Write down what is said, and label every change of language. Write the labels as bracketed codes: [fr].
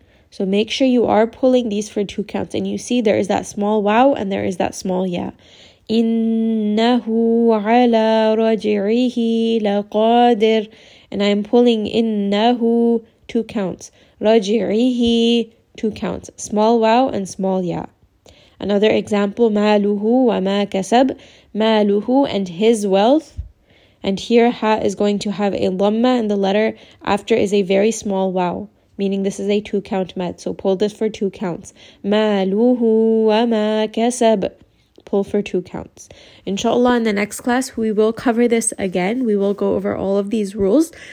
[en] So make sure you are pulling these for two counts. And you see there is that small wow and there is that small ya. [ar] إِنَّهُ عَلَى رَجِعِهِ لَقَادِر. [en] And I am pulling إِنَّهُ, two counts. رَجِعِهِ, two counts. Small wow and small ya. Another example, [ar] مَالُهُ وَمَا كَسَبْ. [en] مَالُهُ and his wealth. And here ha is going to have a lamma and the letter after is a very small wow. Meaning this is a two count mad. So pull this for two counts. [ar] مَالُهُ وَمَا كَسَبْ. [en] Pull for two counts. Inshallah, in the next class, we will cover this again. We will go over all of these rules.